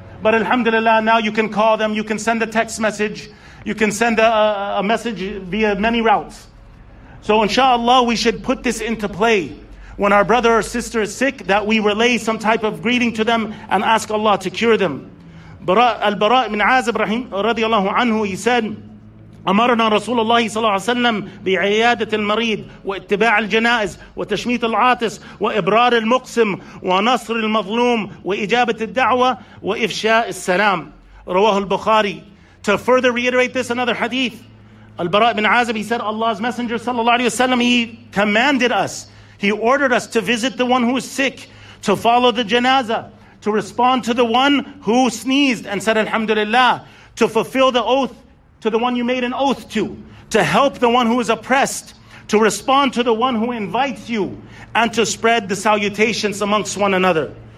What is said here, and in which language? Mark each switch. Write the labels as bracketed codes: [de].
[en] But Alhamdulillah, now you can call them, you can send a text message, you can send a message via many routes. So inshallah, we should put this into play. When our brother or sister is sick, that we relay some type of greeting to them and ask Allah to cure them. [ar] Al-Bara ibn Azib radiallahu anhu, [en] he said, [ar] أَمَرْنَا رَسُولَ اللَّهِ صَلَّى اللَّهُ عَلَيْهِ وَسَلَّمْ بِعِيَادَةِ الْمَرِيدِ وَاتِّبَاعِ الْجَنَائِزِ وَتَشْمِيتِ الْعَاطِسِ وَإِبْرَارِ الْمُقْسِمِ وَنَصْرِ الْمَظْلُومِ وَإِجَابَةِ الدَّعْوَةِ وَإِفْشَاءِ السَّلَامِ رواه البخاري. [en] To further reiterate this, another hadith, Al-Bara' ibn Azib, he said, Allah's Messenger sallallahu alayhi wa sallam, he commanded us, he ordered us to visit the one who is sick, to follow the janazah, to respond to the one who sneezed and said Alhamdulillah, to fulfill the oath to the one you made an oath to help the one who is oppressed, to respond to the one who invites you, and to spread the salutations amongst one another.